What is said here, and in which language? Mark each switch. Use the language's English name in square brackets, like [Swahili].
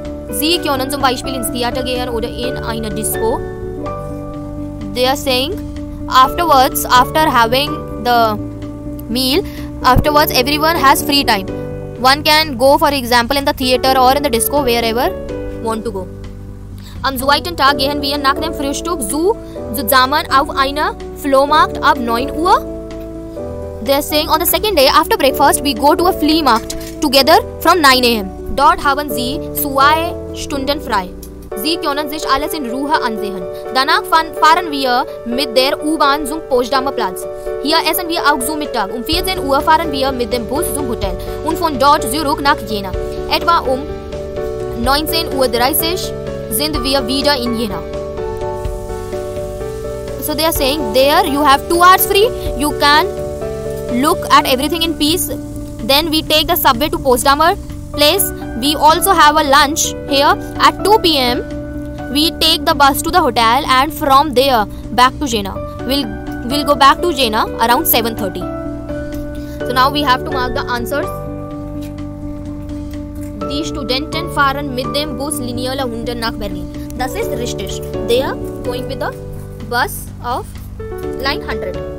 [German] Sie können zum Beispiel ins Theater gehen oder in eine Disco. [English] They are saying afterwards, after having the meal, afterwards everyone has free time. One can go, for example, in the theater or in the disco, wherever want to go. [German] Am zweiten Tag gehen wir nach dem Frühstück zusammen auf einen Flohmarkt 9:00. [English] They are saying on the second day after breakfast we go to a flea market together from 9 a.m. [German] Dort haben sie 2 Stunden frei. Sie können sich alles in Ruhe ansehen. Danach fahren wir mit der U-Bahn zum Potsdamer Platz. Hier essen wir auch zu Mittag. 14 Uhr fahren wir mit dem Bus zum Hotel und von dort zurück nach Jena. Etwa 19:30 sind wir wieder in Jena. [English] So they are saying there you have 2 hours free. You can look at everything in peace. Then we take the subway to Potsdamer Place. We also have a lunch here at 2 p.m. We take the bus to the hotel and from there back to Jena. We'll go back to Jena around 7:30. So now we have to mark the answers. [German] Die Studenten fahren mit dem Bus Linie 100 nach Berlin. Das ist richtig. [English] They are going with the bus of line 100.